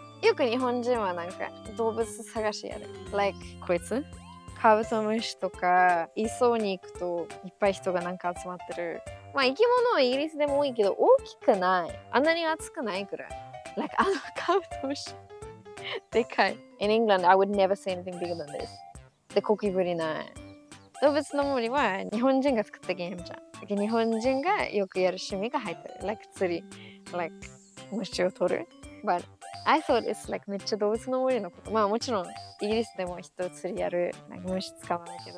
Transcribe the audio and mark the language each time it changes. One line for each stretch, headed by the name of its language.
Japanese: よく日本人はなんか動物探しやる。 Like こいつ？カブトムシとか、磯に行くといっぱい人がなんか集まってる。まあ生き物はイギリスでも多いけど大きくない。あんなに暑くないくらい。 Like あのカブトムシ。でかい。
English: In England, I would never say anything bigger than this.
Japanese: で、コキブリない。動物の森は日本人が作ったゲームじゃん。日本人がよくやる趣味が入ってる。 Like 釣り。Like 虫を取る。
English: But I thought it's like
Japanese: めっちゃ動物の森のこと。まあもちろんイギリスでも人釣りやる。なんか虫捕まないけど。